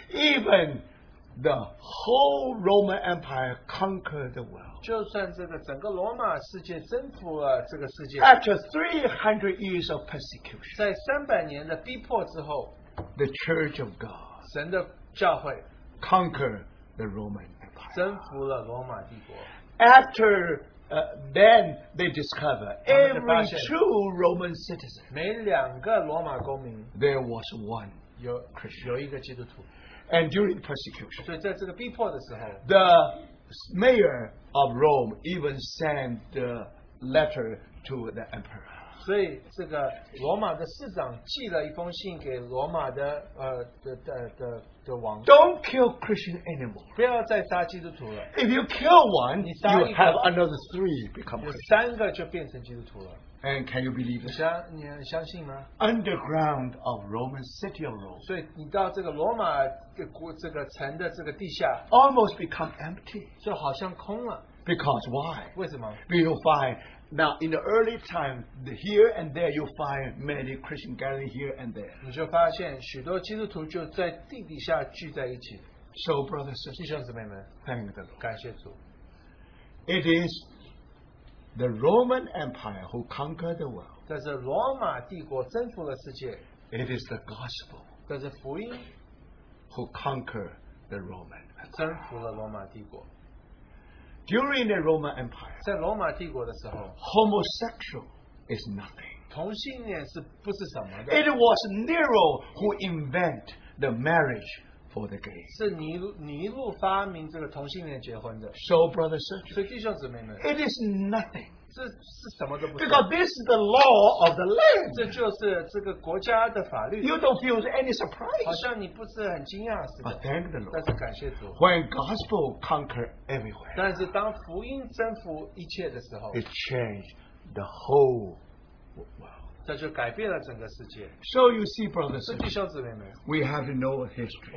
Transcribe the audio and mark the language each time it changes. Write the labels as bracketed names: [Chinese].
[English] even the whole Roman Empire conquered the world. [Chinese] 就算这个整个罗马世界征服了这个世界, [English] after 300 years of persecution, [Chinese] 在300年的逼迫之后, [English] the Church of God, [Chinese] 神的教会, [English] conquered the Roman Empire, [Chinese] 征服了罗马帝国. [English] After then they discover every true Roman citizen, [Chinese] 每两个罗马公民, [English] there was one [Chinese] 有, [English] Christian. [Chinese] 有一个基督徒. [English] And during persecution, [Chinese] 所以在这个逼迫的时候, [English] the mayor of Rome even sent the letter to the emperor. [Chinese] 所以这个罗马的市长寄了一封信给罗马的, 的王, [English] don't kill Christian anymore. [Chinese] 不要再杀基督徒了, [English] if you kill one, [Chinese] 你杀一个, [English] you have another three become Christian. [Chinese] 有三个就变成基督徒了。 [English] And can you believe it? [Chinese] 你相信吗? [English] Underground of Roman city of Rome. [Chinese] 所以你到这个罗马这个城的这个地下, [English] almost become empty. [Chinese] 就好像空了。 [English] Because why? [Chinese] 为什么? [English] You'll find, now in the early time, here and there, you'll find many Christian gathering here and there. [Chinese] 你就发现许多基督徒就在地底下聚在一起。 [English] So brothers and sisters, [Chinese] 弟兄姊妹们, [English] thank the Lord. [Chinese] 感谢主。 [English] It is the Roman Empire who conquered the world. [Chinese] 但是罗马帝国征服了世界, [English] it is the gospel [Chinese] 但是福音, [English] who conquered the Roman Empire. [Chinese] 征服了罗马帝国. [English] During the Roman Empire, [Chinese] 在罗马帝国的时候, [English] homosexual is nothing. [Chinese] 同性恋是不是什么的? [English] It was Nero who invented the marriage for the gay. [Chinese] 是尼禄发明这个同性恋结婚的。 [English] So brothers and sisters, [Chinese] 所以弟兄姊妹们, [English] it is nothing. [Chinese] 这是什么都不是。 [English] Because this is the law of the land. [Chinese] 这就是这个国家的法律。 [English] You don't feel any surprise. [Chinese] 好像你不是很惊讶似的。 [English] But thank the Lord. [Chinese] 但是感谢主。 [English] When gospel conquered everywhere, [Chinese] 但是当福音征服一切的时候, [English] it changed the whole world. [Chinese] 这就改变了整个世界。 [English] So you see, brothers and sisters, we have to know history.